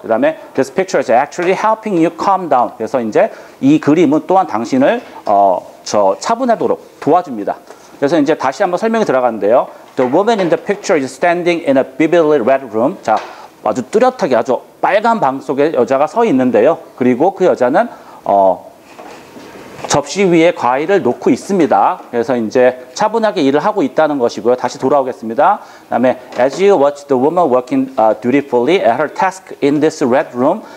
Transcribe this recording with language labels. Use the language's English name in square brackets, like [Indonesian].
[Korean] 그 다음에 [English] this picture is actually helping you calm down. [Korean] 그래서 이제 이 그림은 또한 당신을 차분하도록 도와줍니다. 그래서 이제 다시 한번 설명이 들어가는데요. [English] The woman in the picture is standing in a vividly red room. [Korean] 자, 아주 뚜렷하게 아주 빨간 방 속에 여자가 서 있는데요. 그리고 그 여자는 접시 위에 과일을 놓고 있습니다. 그래서 이제 차분하게 일을 하고 있다는 것이고요. 다시 돌아오겠습니다. 그다음에 [English] as you watch the woman working dutifully at her task in this red room.